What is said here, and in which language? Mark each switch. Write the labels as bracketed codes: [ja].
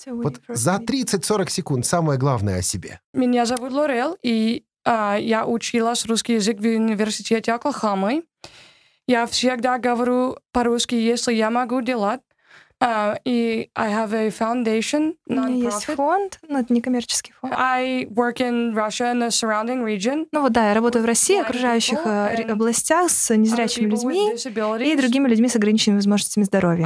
[ru] Вот за 30-40 секунд самое главное о себе. Меня зовут Лорел, и я училась русский язык в университете Оклахомы. Я всегда говорю по-русски, если я могу делать. [en] И I have a foundation, non-profit. [ru] У меня есть фонд, но это не коммерческий фонд. [en] I work in Russia and the surrounding region. [ru] Ну вот да, я работаю в России, окружающих областях с незрячими людьми и другими людьми с ограниченными возможностями здоровья.